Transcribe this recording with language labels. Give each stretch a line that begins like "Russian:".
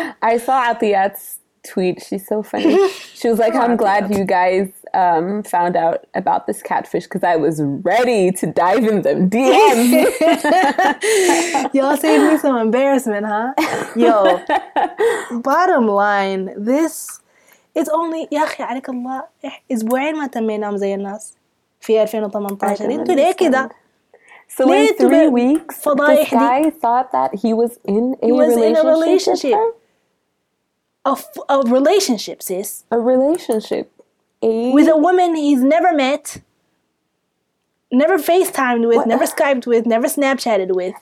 English: I saw Athiat's tweet. She's so funny. She was like, I'm glad you guys found out about this catfish because I was ready to dive in them DMs. Y'all saved me some embarrassment, huh? Yo, bottom line, this. It's only
Arabic: يا أخي عليك الله أسبوعين ما تمينام زي الناس في 2018 انتو ليه كده
English: so in 3 weeks this guy thought that he was in a relationship a relationship with a woman he's never met, never FaceTimed with, never Skyped with, never Snapchatted with,